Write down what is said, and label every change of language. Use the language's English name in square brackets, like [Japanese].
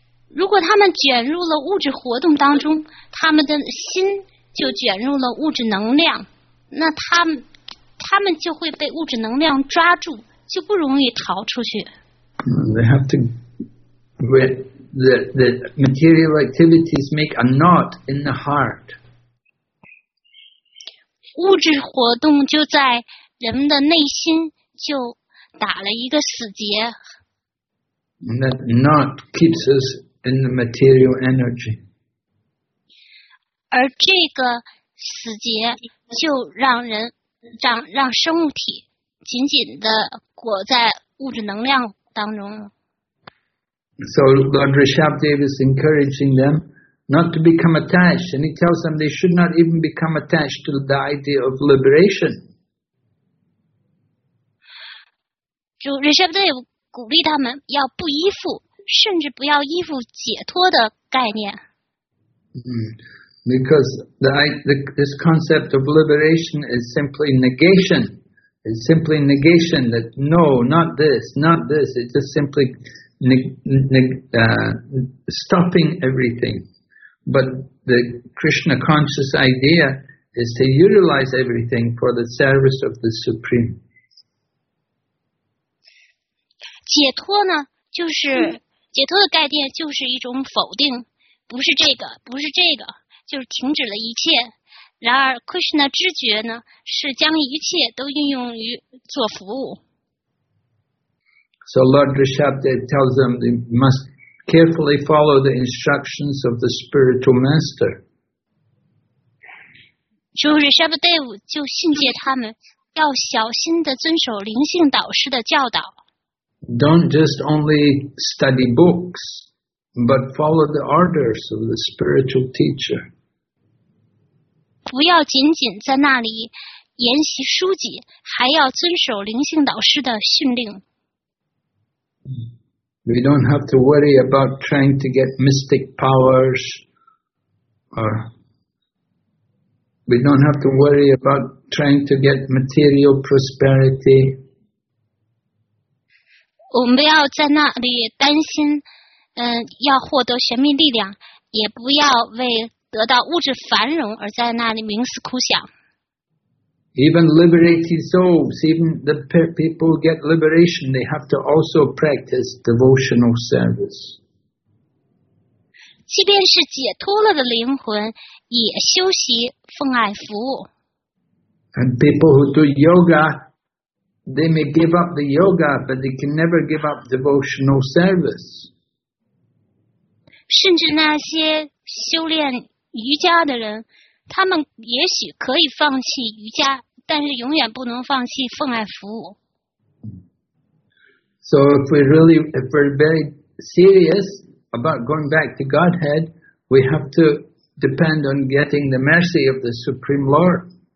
[Chinese] 如果他们卷入了物质活动当中，他们的心就卷入了物质能量，那他们就会被物质能量抓住，就不容易逃出去。 [English] They have to, the material activities make a knot in the heart. [Chinese] 物质活动就在人们的内心就打了一个死结。 [English] And that knot keeps us in the material energy. [Chinese] 而这个死结就让人让生物体紧紧地裹在物质能量当中。 [English] So Lord Rishabhdev is encouraging them not to become attached, and he tells them they should not even become attached to the idea of liberation. [Chinese] 主 Rishabhdev 鼓励他们要不依附，甚至不要依附解脱的概念。 [English] Because this concept of liberation is simply negation. It's simply negation that no, not this, not this. It's just simply stopping everything. But the Krishna conscious idea is to utilize everything for the service of the Supreme. [Chinese] 解脱呢，就是解脱的概念，就是一种否定，不是这个，不是这个。就是停止了一切，然而 Krishna 知觉呢，是将一切都运用于做服务。 [English] So Lord Rishabhdev tells them they must carefully follow the instructions of the spiritual master. [Chinese] 主 Rishabhdev 就训诫他们要小心地遵守灵性导师的教导。 [English] Don't just only study books, but follow the orders of the spiritual teacher. [Chinese] 不要仅仅在那里研习书籍，还要遵守灵性导师的训令。 [English] We don't have to worry about trying to get mystic powers, or we don't have to worry about trying to get material prosperity. [Chinese] 我们不要在那里担心，要获得玄秘力量，也不要为得到物质繁荣而在那里冥思苦想。 [English] Even liberated souls, even the people who get liberation, they have to also practice devotional service. [Chinese] 即便是解脱了的灵魂, 也修习奉爱服务。 [English] And people who do yoga, they may give up the yoga, but they can never give up devotional service. [Chinese] 甚至那些修炼瑜伽的人, 他们也许可以放弃瑜伽, 但是永远不能放弃奉爱服务。 [English] So if we're very serious about going back to Godhead, we have to depend on getting the mercy of the Supreme Lord.